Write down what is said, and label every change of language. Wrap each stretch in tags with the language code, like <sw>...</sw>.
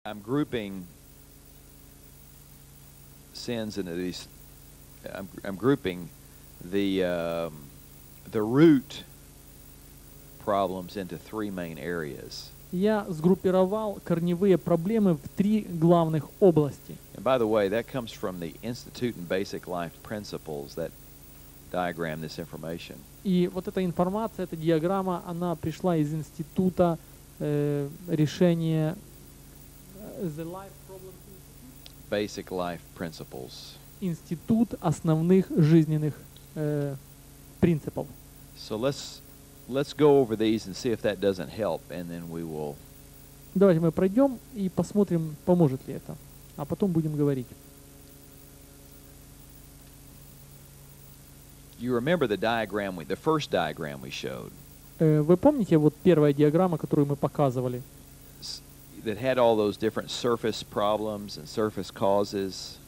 <en>I'm grouping sins into these. I'm grouping the root problems into three main areas.</en> <ru>Я сгруппировал корневые проблемы в три главных области.</ru> <en>And by the way, that comes from the Institute and Basic Life Principles that diagram this information.</en> <ru>И вот эта информация, эта диаграмма, она пришла из института решения The Life Problems Institute.</ru> <en>Basic Life Principles.</en> <ru>Институт основных жизненных принципов.</ru> <en>So let's go over these and see if that doesn't help, and then we will.</en> <ru>Давайте мы пройдем и посмотрим, поможет ли это, а потом будем говорить.</ru> <en>You remember the diagram the first diagram we showed?</en> <ru>Вы помните вот первая диаграмма, которую мы показывали?</ru> <en>That had all those different surface problems and surface causes.</en>